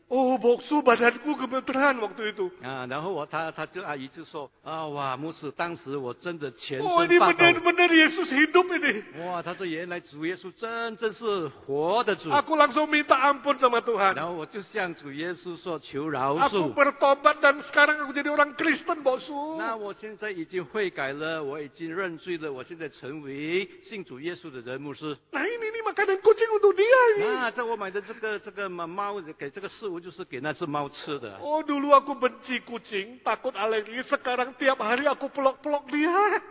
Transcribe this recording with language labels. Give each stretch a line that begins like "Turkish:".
Indonesian: Oh, bosu, badanku gemeteran waktu itu。
Chinese: 啊，然后他就阿姨就说，啊，哇，牧师，当时我真的全身发抖。
Indonesian: Oh, ini benar-benar Yesus hidup ini。
Chinese: 哇，他说原来主耶稣真正是活的主。
Indonesian: Aku langsung minta ampun sama Tuhan。
Chinese: 然后我就向主耶稣说求饶恕。
Indonesian: Aku bertobat dan sekarang aku jadi orang Kristen, bosu。
Chinese: 那我现在已经悔改了，我已经认罪了，我现在成为信主耶稣的人，牧师。
Indonesian: Nah, ini makanan kucing untuk dia。
Chinese: 啊，这我买的。这个猫给这个事物就是给那只猫吃的。
Indonesian: Oh, dulu aku benci kucing, takut alergi. Sekarang tiap hari aku pelok-pelok dia.